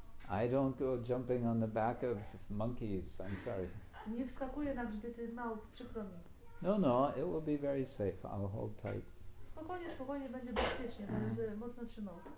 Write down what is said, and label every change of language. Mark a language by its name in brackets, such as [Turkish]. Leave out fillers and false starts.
[English] I don't go jumping on the back of monkeys, I'm sorry. [Polish] Nie wskakuję na grzbiety małp, przykro mi. [English] No, it will be very safe, I'll hold tight. [Polish] Spokojnie, będzie bezpiecznie, będę mocno trzymał.